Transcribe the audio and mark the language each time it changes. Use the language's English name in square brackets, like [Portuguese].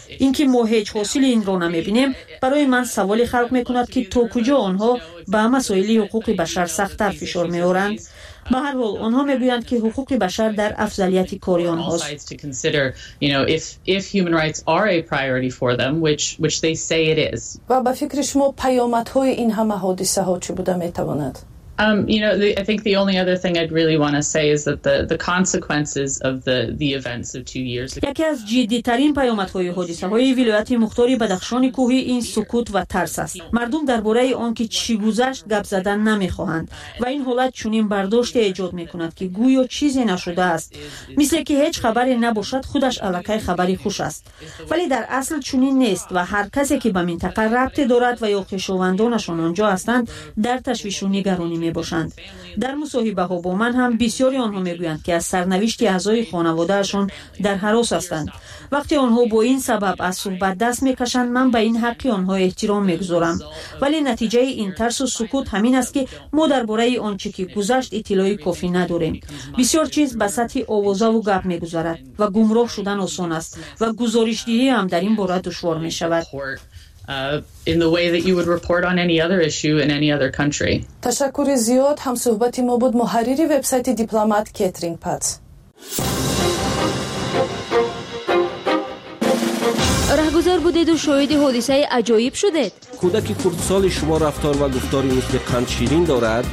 [Persian] اینکه ما هیچ حاصل این را نمی بینیم برای من سوالی خلق می کند که تا کجا آنها به مسائل حقوق بشر سخت‌تر فشار می آورند. به هر حال آنها می گویند که حقوق بشر در افضلیت کاری آنهاست. و به فکر شما پیامت های این همه حادثه ها چی بوده می تواند؟ [English] I think the only other thing I'd really want to say is that the consequences of the events of 2 years ago. [Persian] یکی از جدی‌ترین پیامدهای حادثه‌های ولایت مختار بدخشان کوهی این سکوت و ترس است. مردم درباره آن که چی گذشت گپ زدن نمی‌خواهند و این حالت چنین برداشتی ایجاد می‌کند که گویا چیزی نشده است. مثل که هیچ خبری نباشد خودش علاقه خبری خوش است. ولی در اصل چنین نیست و هر کسی که به منطقه ربط دارد و یا خویشاوندانشان آنجا هستند در تشویش و نگرانی می باشند. در مصاحبه ها با من هم بسیاری آنها می گویند که از سرنوشت اعضای خانواده‌شان در هراس هستند. وقتی آنها با این سبب از صحبت دست می کشند، من به این حق آنها احترام می گذارم. ولی نتیجه این ترس و سکوت همین است که ما درباره آنچه که گذشت اطلاع کافی نداریم. بسیار چیز به سطح آوازه و گپ می گذارد و گمراه شدن آسان است و گزارش دهی هم در این باره دشوار می شود. [English] In the way that you would report on any other issue in any other country. [Persian] تشکر زیاد. هم صحبتی ما بود محرری وبسایت دیپلمات کترین پات. رهگذار بودید و شاهد حادثه عجایب شدید. کودک کوردسال شما رفتار و گفتاری مثل قندشیرین دارد.